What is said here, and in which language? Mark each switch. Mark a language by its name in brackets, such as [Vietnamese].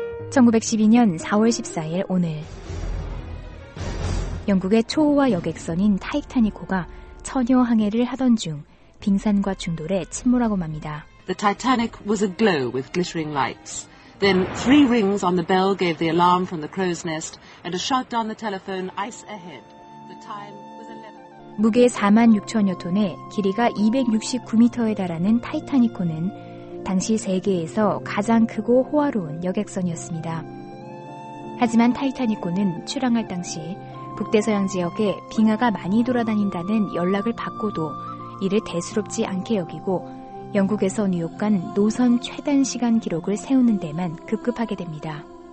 [Korean] 1912년 4월 14일 오늘. 영국의 초호화 여객선인 타이타닉호가 처녀 항해를 하던 중 빙산과 충돌해 침몰하고 맙니다. [English] The Titanic was aglow with glittering lights. Then three rings on the bell gave the alarm from the crow's nest and a shout down the telephone ice ahead. The time was 11. [Korean] 무게 4만 6천여 톤에 길이가 269m에 달하는 타이타닉호는 당시 세계에서 가장 크고 호화로운 여객선이었습니다. 하지만 타이타닉호는 출항할 당시 북대서양 지역에 빙하가 많이 돌아다닌다는 연락을 받고도 이를 대수롭지 않게 여기고 영국에서 뉴욕 간 노선 최단 시간 기록을 세우는 데만 급급하게 됩니다.